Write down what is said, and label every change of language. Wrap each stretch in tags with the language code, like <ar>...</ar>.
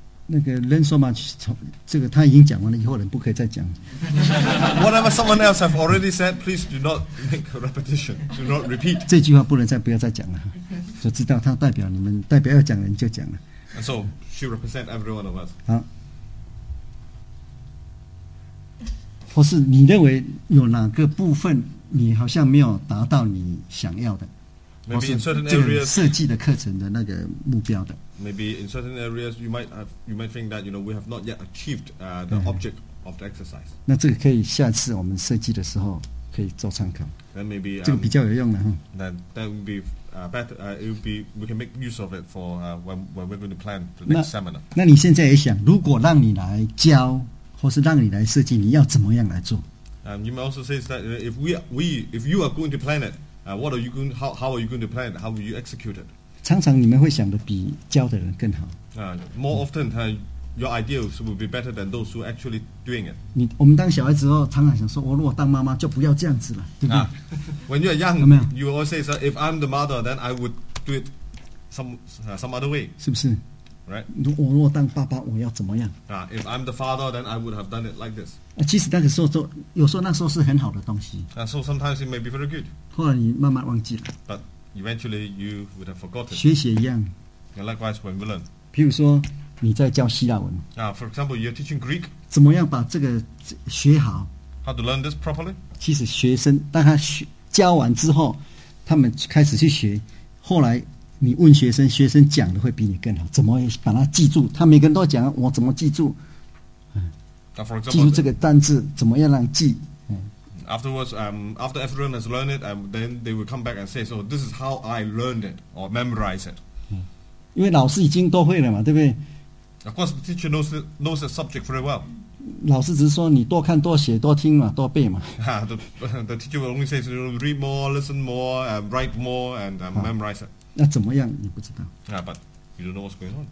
<en>Learn so much,</en> <zh>这个他已经讲完了，以后人不可以再讲。</zh> <en>Whatever someone else have already said, please do not make a repetition. Do not repeat.</en> <zh>这句话不能再不要再讲了，就知道他代表你们，代表要讲人就讲了。</zh> <en>And so she represents every one of us.</en> <zh>好，或是你认为有哪个部分你好像没有达到你想要的？</zh> <en>Maybe in certain areas,</en> <zh>设计的课程的那个目标的。</zh> <en>Maybe in certain areas, you might think that, you know, we have not yet achieved the object of the exercise.</en> <zh>那这个可以下次我们设计的时候可以做参考。</zh> <en>Then maybe</en> <zh>这个比较有用的哈。</zh> <en>That would be better. It would be we can make use of it for when we're going to plan the next seminar.</en> <zh>那你现在也想，如果让你来教，或是让你来设计，你要怎么样来做？</zh> <en>You may also say that if you are going to plan it. What are you going? How are you going to plan? How will you execute it?</en> <zh>常常你们会想的比教的人更好。</zh> <en>More often, your ideas will be better than those who are actually doing it.</en> <zh>我们当小孩子哦，常常想说，我如果当妈妈，就不要这样子了，对吧</zh> <en>？When you are young,</en> <zh>有没有</zh> <en>？You will always say, "If I'm the mother, then I would do it some other way."</en> <zh>是不是</zh> <en>？Right.</en> <zh>如果当爸爸，我要怎么样</zh> <en>？If I'm the father, then I would have done it like this.</en> <zh>其实那个时候都有时候那时候是很好的东西。</zh> <en>So sometimes it may be very good.</en> <zh>后来你慢慢忘记了。</zh> <en>But eventually you would have forgotten.</en> <zh>学习一样。</zh> <en>And likewise when we learn.</en> <zh>譬如说你在教希腊文。</zh> <en>For example, you're teaching Greek.</en> <zh>怎么样把这个学好？</zh> <en>How to learn this properly?</en> <zh>其实学生当他教完之后，他们开始去学。后来你问学生，学生讲的会比你更好。怎么把它记住？他每个人都讲，我怎么记住？</zh> <en>For example,</en> <zh>记住这个单字，怎么样让记？</zh> <en>Afterwards, after everyone has learned it, then they will come back and say, "So this is how I learned it or memorized it."</en> <zh>因为老师已经都会了嘛，对不对</zh> <en>？Of course, the teacher knows the subject very well.</en> <zh>老师只是说你多看多写多听嘛，多背嘛。</zh> <en>The teacher will only say, "So read more, listen more, write more, and memorize it."</en> <zh>那怎么样？你不知道。</zh> <en>But you don't know what's going on.</en>